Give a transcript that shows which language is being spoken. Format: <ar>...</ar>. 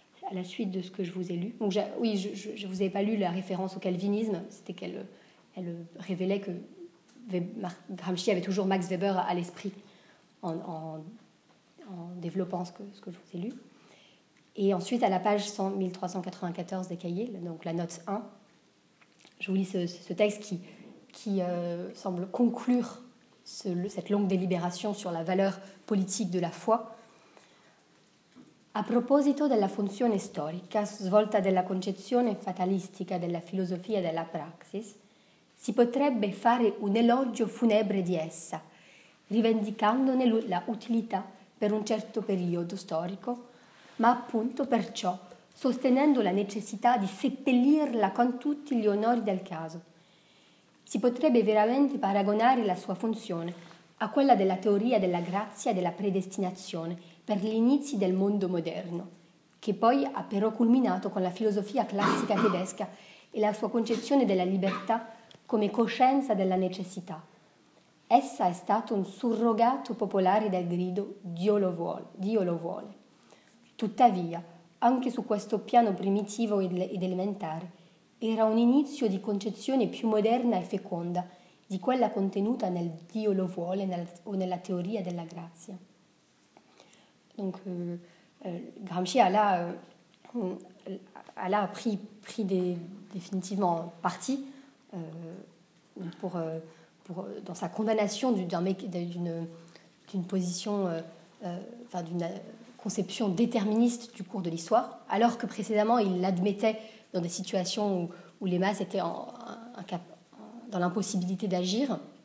<fr>À la suite de ce que je vous ai lu. Donc, je ne vous ai pas lu la référence au calvinisme, c'était qu'elle révélait que Gramsci avait toujours Max Weber à l'esprit en développant ce que je vous ai lu. Et ensuite, à la page 1394 des cahiers, donc la note 1, je vous lis ce texte qui semble conclure cette longue délibération sur la valeur politique de la foi.</fr> <it>A proposito della funzione storica svolta della concezione fatalistica della filosofia della praxis, si potrebbe fare un elogio funebre di essa, rivendicandone la utilità per un certo periodo storico, ma appunto perciò sostenendo la necessità di seppellirla con tutti gli onori del caso. Si potrebbe veramente paragonare la sua funzione a quella della teoria della grazia e della predestinazione per gli inizi del mondo moderno, che poi ha però culminato con la filosofia classica tedesca e la sua concezione della libertà come coscienza della necessità. Essa è stata un surrogato popolare del grido «Dio lo vuole, Dio lo vuole». Tuttavia, anche su questo piano primitivo ed elementare, era un inizio di concezione più moderna e feconda di quella contenuta nel «Dio lo vuole» o nella teoria della grazia.</it> <fr>Donc Gramsci a là pris définitivement parti pour dans sa condamnation d'une position, d'une conception déterministe du cours de l'histoire, alors que précédemment il l'admettait dans des situations où les masses étaient dans l'impossibilité d'agir.</fr>